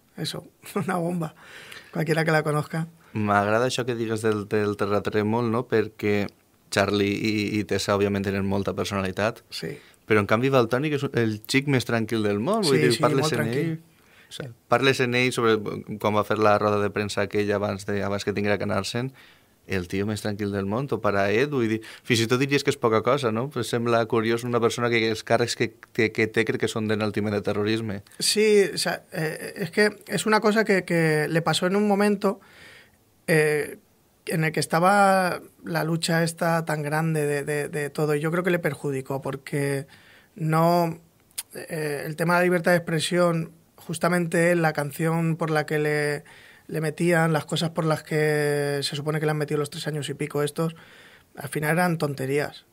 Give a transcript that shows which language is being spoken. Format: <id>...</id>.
<es>Eso, una bomba. Cualquiera que la conozca.</es> <ca>M'agrada això que digues del terratrèmol, no? Perquè Charlie i Tessa, òbviament, tenen molta personalitat. Sí. Però, en canvi, Baltònic és el xic més tranquil del món. Sí, dir, parles molt tranquil. Ell, o sigui, parles en ell sobre quan va fer la roda de premsa aquella abans que tinguera que anar-se'n. El tio més tranquil del món, o para Ed, vull dir, fins i tot diries que és poca cosa, no? Però sembla curiós una persona que els càrrecs que té crec que són d'enaltiment de terrorisme.</ca> <es>Sí, o sea, es que es una cosa que le pasó en un momento en el que estaba la lucha esta tan grande de todo, y yo creo que le perjudicó, porque no... el tema de la libertad de expresión, justamente la canción por la que le metían, las cosas por las que se supone que le han metido los 3 años y pico estos, al final eran tonterías.</es>